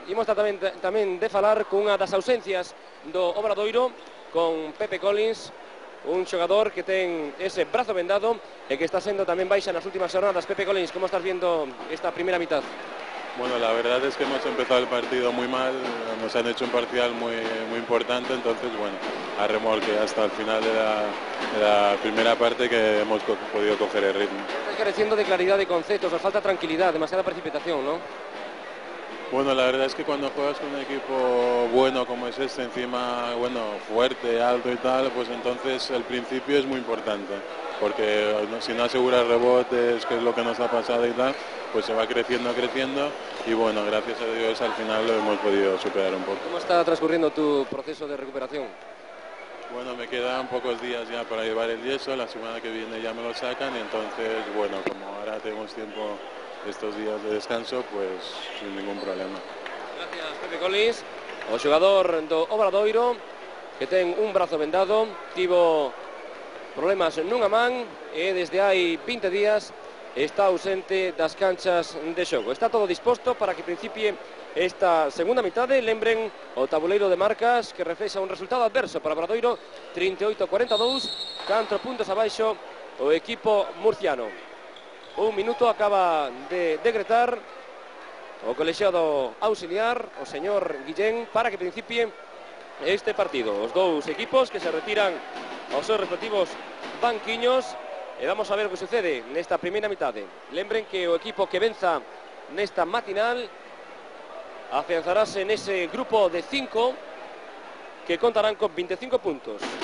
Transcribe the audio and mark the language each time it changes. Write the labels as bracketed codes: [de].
[gl] Imos tamén de falar cunha das ausencias do Obradoiro, con Pepe Collins, un xogador que ten ese brazo vendado e que está sendo tamén baixa nas últimas jornadas. Pepe Collins, como estás viendo esta primeira mitad? [es] Bueno, la verdad es que hemos empezado el partido muy mal, nos han hecho un parcial muy, muy importante, entonces bueno, a remolque hasta el final de la primera parte que hemos podido coger el ritmo. [gl] Estás careciendo de claridad de conceptos, os falta tranquilidad, demasiada precipitación, ¿no? [es] Bueno, la verdad es que cuando juegas con un equipo bueno como es este, encima, bueno, fuerte, alto y tal, pues entonces el principio es muy importante, porque si no aseguras rebotes, que es lo que nos ha pasado y tal, pues se va creciendo, y bueno, gracias a Dios al final lo hemos podido superar un poco. ¿Cómo está transcurriendo tu proceso de recuperación? Bueno, me quedan pocos días ya para llevar el yeso, la semana que viene ya me lo sacan, y entonces, bueno, como ahora tenemos tiempo estos días de descanso, pues sin ningún problema. Gracias, Pepe Collins. [gl] O xogador do Obradoiro, que ten un brazo vendado, tivo problemas nunha man, e desde hai 20 días está ausente das canchas de xogo. Está todo disposto para que principie esta segunda mitade. Lembren o tabuleiro de marcas que reflexa un resultado adverso para Obradoiro, 38-42, 4 puntos abaixo o equipo murciano. Un minuto acaba de decretar o colexiado auxiliar, o señor Guillén, para que principie este partido. Os dous equipos que se retiran aos seus respectivos banquiños. E vamos a ver o que sucede nesta primeira mitade. Lembren que o equipo que venza nesta matinal afianzarase nese grupo de 5 que contarán con 25 puntos.